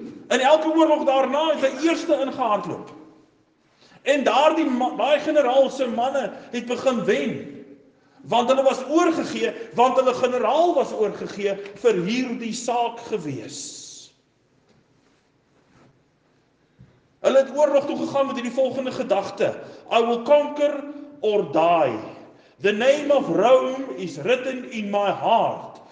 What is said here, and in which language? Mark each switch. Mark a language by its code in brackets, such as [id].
[af] In elke oorlog daarna het hy eerste ingehardloop. En daardie daai generaal se manne het begin wen. Want hulle was oorgegee, want hulle generaal was oorgegee vir hierdie saak gewees. Hulle het oorlog toe gegaan met hierdie volgende gedagte: [en] I will conquer or die. The name of Rome is written in my heart.